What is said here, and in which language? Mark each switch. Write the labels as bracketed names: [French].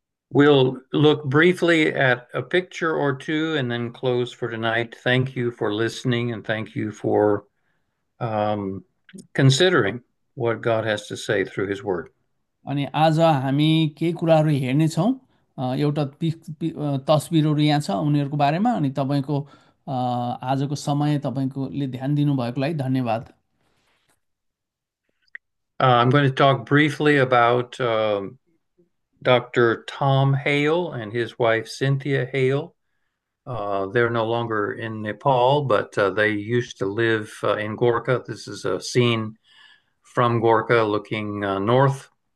[English] We'll look briefly at a picture or two and then close for tonight. Thank you for listening and thank you for considering what God has to say through His Word. [Nepali] अनि आज हामी केही कुराहरू हेर्नेछौँ, एउटा तस्विरहरू यहाँ छ उनीहरूको बारेमा, अनि तपाईँको आजको समय तपाईँकोले ध्यान दिनुभएको लागि धन्यवाद। [English] I'm going to talk briefly about Dr. Tom Hale and his wife Cynthia Hale. They're no longer in Nepal, but they used to live in Gorkha. This is a scene from Gorkha looking north.